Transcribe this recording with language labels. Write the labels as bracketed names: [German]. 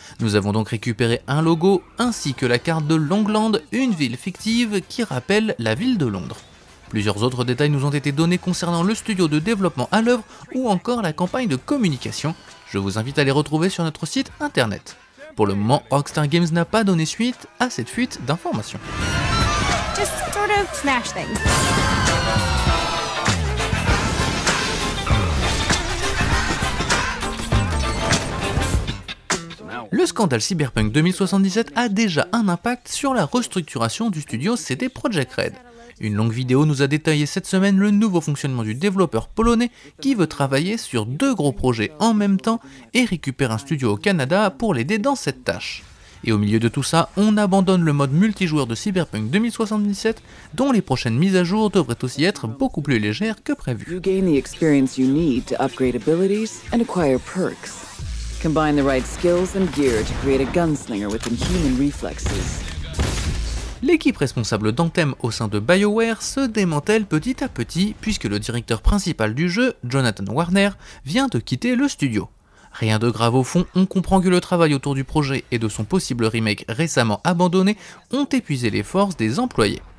[French] Nous avons donc récupéré un logo ainsi que la carte de Longland, une ville fictive qui rappelle la ville de Londres. Plusieurs autres détails nous ont été donnés concernant le studio de développement à l'œuvre ou encore la campagne de communication. Je vous invite à les retrouver sur notre site internet. Pour le moment, Rockstar Games n'a pas donné suite à cette fuite d'informations. [English] Just sort of smash things. [French] Le scandale Cyberpunk 2077 a déjà un impact sur la restructuration du studio CD Projekt Red. Une longue vidéo nous a détaillé cette semaine le nouveau fonctionnement du développeur polonais qui veut travailler sur deux gros projets en même temps et récupère un studio au Canada pour l'aider dans cette tâche. Et au milieu de tout ça, on abandonne le mode multijoueur de Cyberpunk 2077 dont les prochaines mises à jour devraient aussi être beaucoup plus légères que prévu. [English] You gain the experience you need to upgrade abilities and acquire perks. Combine the right skills and gear to create a gunslinger with inhuman reflexes. [French] L'équipe responsable d'Anthem au sein de BioWare se démantèle petit à petit puisque le directeur principal du jeu, Jonathan Warner, vient de quitter le studio. Rien de grave au fond, on comprend que le travail autour du projet et de son possible remake récemment abandonné ont épuisé les forces des employés.